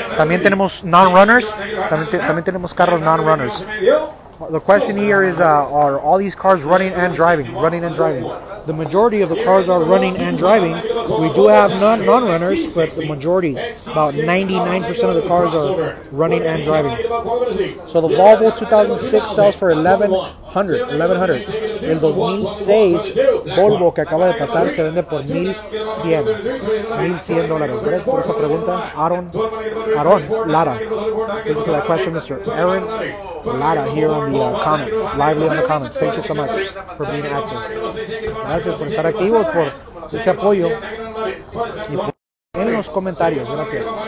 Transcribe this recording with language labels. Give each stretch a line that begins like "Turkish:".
Spanish: También tenemos non-runners, también tenemos carros non-runners.
English: The question here is, are all these cars running and driving? Running and driving. The majority of the cars are running and driving. We do have non-runners, but the majority, about 99% of the cars are running and driving. So the Volvo 2006 sells for $1,100.
Spanish: El 2006 Volvo que acaba de pasar se vende por $1,100. Gracias por esa pregunta, Aaron. Aaron Lara.
English: Thank you for that question, Mr. Aaron Lara, here on the comments, lively on the comments. Thank you so much for being active.
Spanish: Gracias por estar activos, por ese apoyo y por en los comentarios. Gracias.